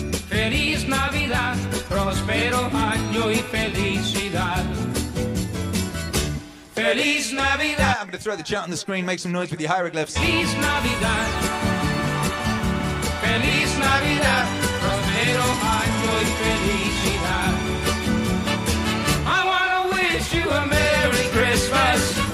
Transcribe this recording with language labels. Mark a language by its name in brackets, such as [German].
[Spanish] Feliz Navidad, próspero año y felicidad. Feliz Navidad. [English] I'm going to throw the chat on the screen, make some noise with your hieroglyphs. [Spanish] Feliz Navidad. Feliz Navidad, próspero año y felicidad. [English] I want to wish you a Merry Christmas.